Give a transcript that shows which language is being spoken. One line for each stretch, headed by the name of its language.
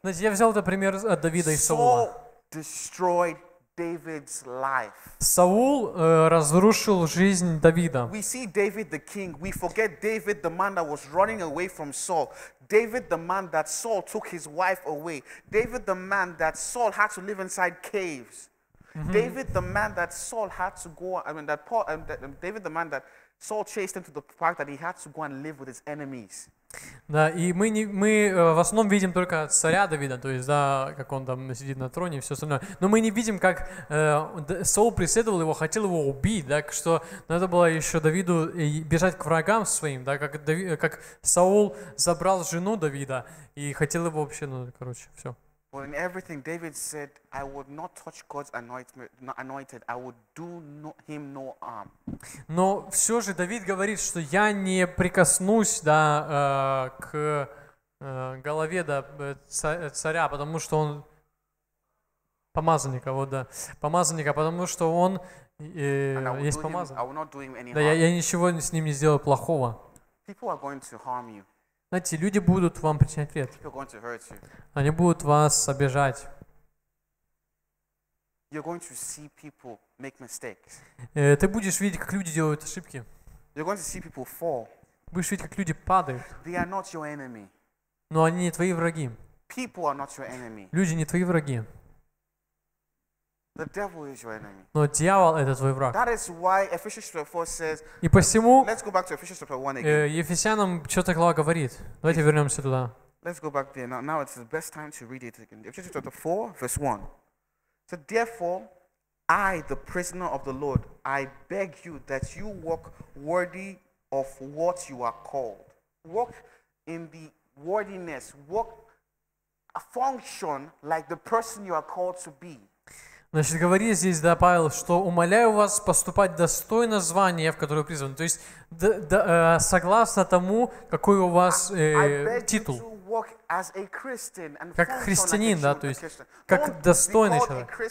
Russian: Знаете, я взял этот пример от Давида и Саула.
English: Saul destroyed David's life.
Russian: Саул разрушил жизнь Давида.
English: We see David the king. We forget David the man that was running away from Saul. David the man that Saul took his wife away. David the man that Saul had to live inside caves. David the man that Saul had to go. I mean that Paul. David the man that Saul chased him to the point that he had to go and live with his enemies.
Russian: Да, и мы в основном видим только царя Давида, то есть, да, как он там сидит на троне и все остальное. Но мы не видим, как Саул преследовал его, хотел его убить, да, что надо было еще Давиду бежать к врагам своим, да, как Саул забрал жену Давида и хотел его вообще, ну, короче, все.
English: Well, in everything, David said, I would not touch God's anointed, I would do him no harm.
Russian: Но все же Давид говорит, что я не прикоснусь, да, к голове, да, царя, потому что он помазанника, вот, да, помазанника, потому что он есть помазан.
English: I would not do him any harm.
Russian: Да, я ничего с ним не сделаю плохого.
English: People are going to harm you.
Russian: Знаете, люди будут вам причинять вред. Они будут вас обижать. Ты будешь видеть, как люди делают ошибки. Будешь видеть, как люди падают. Но они не твои враги. Люди не твои враги.
English: The devil is your enemy.
Russian: Но дьявол — это твой враг.
English: That is why Ephesians 4 says.
Russian: И посему.
English: Let's go back to Ephesians 4 again.
Russian: Ефесянам что-то глава говорит. Давайте вернемся туда.
English: Let's go back there. Now it's the best time to read it again. Ephesians 4, verse 1. So therefore, I, the prisoner of the Lord, I beg you that you walk worthy of what you are called. Walk in the worthiness. Walk a function like the person you are called to be.
Russian: Значит, говори здесь, да, Павел, что умоляю вас поступать достойно звания, в которое призван. То есть, согласно тому, какой у вас титул. Как христианин, да, то есть, как достойный человек.